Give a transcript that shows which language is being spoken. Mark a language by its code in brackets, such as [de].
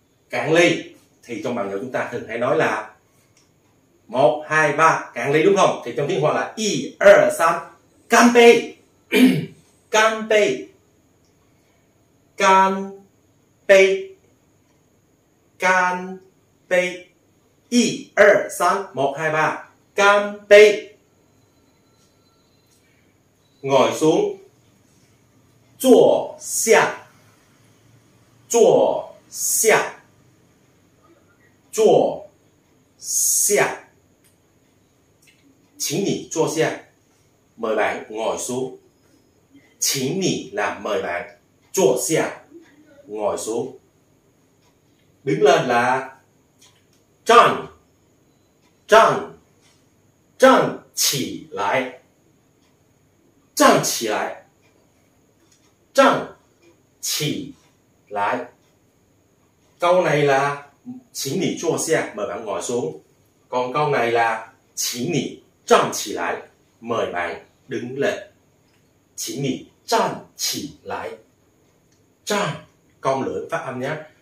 [vi] Cạn ly thì trong bảng nhỏ chúng ta thường hay nói là 1, 2, 3, cạn ly đúng không? Thì trong tiếng Hoa là 1, 2, 3, [zh] 干 杯, 干 杯, 干 杯, 干 杯, 1, 2, 3, 1, 2, 3, 干 杯. [vi] Ngồi xuống, [zh] 坐下, 坐下, 坐下. 请你坐下, [vi] mời bạn ngồi xuống. 请你 là mời bạn, 坐下, ngồi xuống. Đứng lên là [zh] 站, 站, 站起来, 站起来, 站起来. [vi] Câu này là [zh] 请你坐下, [vi] mời bạn ngồi xuống. Còn câu này là [zh] 请你 站 起 来, [vi] mời bạn đứng lên. [zh] 请你 站 起 来, 站, [vi] cong lưỡi phát âm nhé.